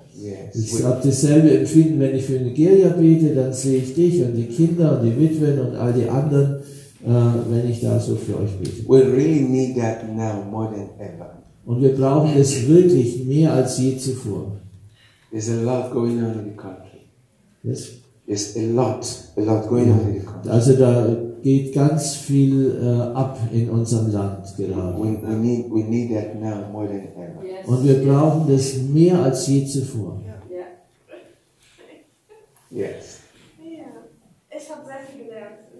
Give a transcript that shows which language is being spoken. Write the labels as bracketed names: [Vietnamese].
[German] Ich habe dasselbe Empfinden, wenn ich für Nigeria bete, dann sehe ich dich und die Kinder und die Witwen und all die anderen, wenn ich da so für euch bete. [English] We really need that now more than ever. [German] Und wir brauchen es wirklich mehr als je zuvor. [English] There's a lot going on in the country. Yes. There's a lot going on in the country. [German] Also da geht ganz viel ab in unserem Land gerade. [English] We need that now more than ever. Yes. [German] Und wir brauchen das mehr als je zuvor. [English] Yeah. Yes. [German] Yeah. Ich habe sehr viel gelernt.